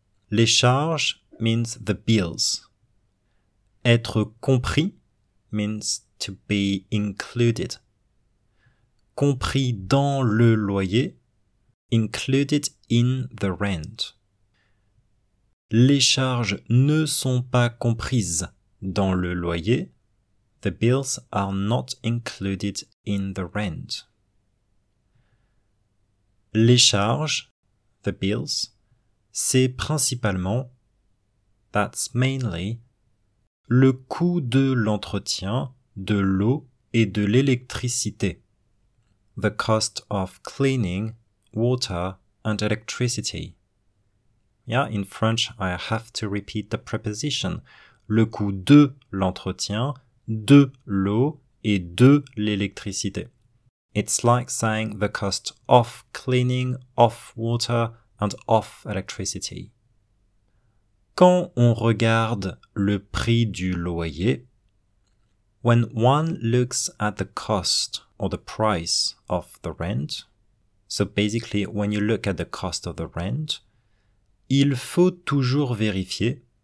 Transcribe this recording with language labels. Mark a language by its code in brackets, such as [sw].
[en] Les charges means the bills. Être compris means to be included. [fr] Compris dans le loyer, included in the rent. Les charges ne sont pas comprises dans le loyer. [en] The bills are not included in the rent. [fr] Les charges, the bills, c'est principalement, that's mainly, le coût de l'entretien, de l'eau et de l'électricité. [en] The cost of cleaning, water and electricity. Yeah, in French, I have to repeat the preposition. [fr] Le coût de l'entretien, de l'eau et de l'électricité. [en] It's like saying the cost of cleaning, of water and of electricity. Quand on regarde le prix du loyer, when one looks at the cost or the price of the rent, so basically when you look at the cost of the rent, il faut toujours vérifier.